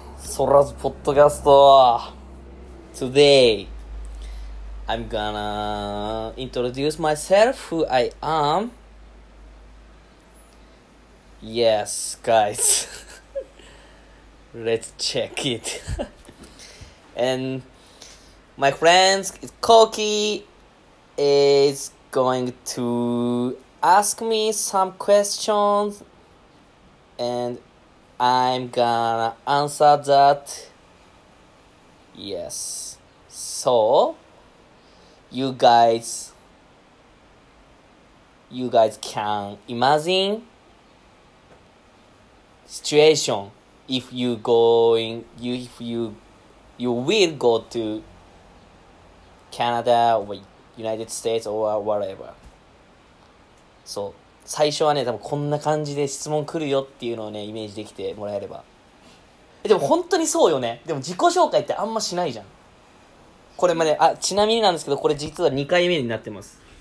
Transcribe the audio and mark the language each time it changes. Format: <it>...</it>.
<ja>そらずポッドキャスト。</ja> <en>Today, I'm gonna introduce myself who I am. Yes, guys. Let's check it. And my friends, Koki is going to ask me some questions. And I'm gonna answer that. Yes. So, you guys can imagine situation if you going you if you you will go to Canada or United States or whatever.</en> <ja>So 最初はね、多分こんな感じで質問来るよっていうのをね、イメージできてもらえれば。でも本当にそうよね。でも自己紹介ってあんましないじゃん。これまで、あ、ちなみになんですけど、これ実は2回目になってます。</ja>